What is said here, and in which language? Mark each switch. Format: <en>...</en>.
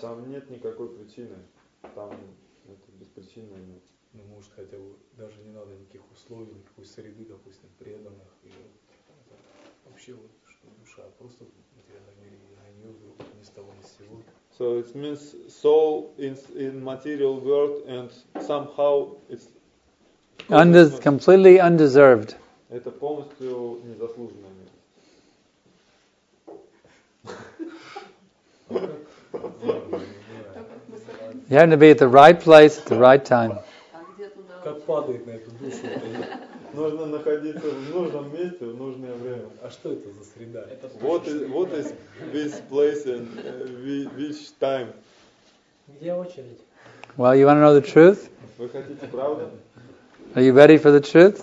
<ru>Там нет никакой причины. Там это беспричинно. Ну, может, хотя бы даже не надо никаких условий, никакой среды, допустим, преданных. И вот, вообще, вот, что душа просто в материальном мире, и на нее вдруг ни с того ни с сего.</ru> <en>So it means soul in material world and somehow it's completely undeserved.</en> <ru>Это полностью незаслуженно.</ru> <en>You have to be at the right place at the right time.</en> <ru>Как падает на эту душу? Нужно находиться в нужном месте в нужное время. А что это за среда?</ru> <en>What is this place and which time?</en> <ru>Где очередь?</ru> <en>Well, you want to know the truth?</en> <ru>Вы хотите правду?</ru> <en>Are you ready for the truth?</en>